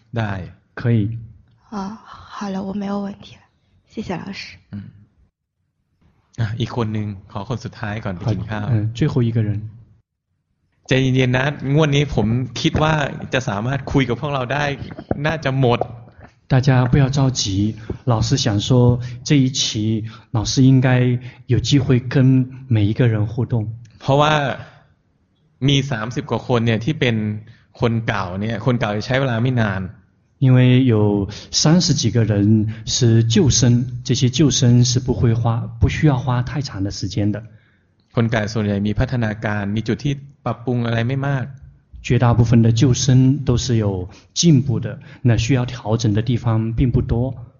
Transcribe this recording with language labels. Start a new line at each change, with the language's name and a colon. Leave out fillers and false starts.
Thai: ได้
Chinese: 可以啊、好了我没有问题了谢谢老师
Thai: 嗯啊一คนนึงขอคนสุดท้ายก่อนไปกินข้าว
Chinese: 最后一个人
Thai: ใจเย็นๆนะงวดนี้ผมคิดว่าจะสามารถคุยกับพวกเราได้น่าจะหมด
Chinese: 大家不要着急老师想说这一期老师应该有机会跟每一个人互动
Thai: เพราะว่ามี30กว่าคนเนี่ยที่เป็นคนเก่าเนี่ยคนเก่าจะใช้เวลาไม่นาน
Chinese: 因为有三十几个人是救生，这些救生是不会花，不需要花太长的时间的。
Thai: คนเก่าส่วนใหญ่มีพัฒนาการมีจุดที่ปรับปรุงอะไรไม่มาก。
Chinese: 绝大部分的救生都是有进步的，那需要调整的地方并不多。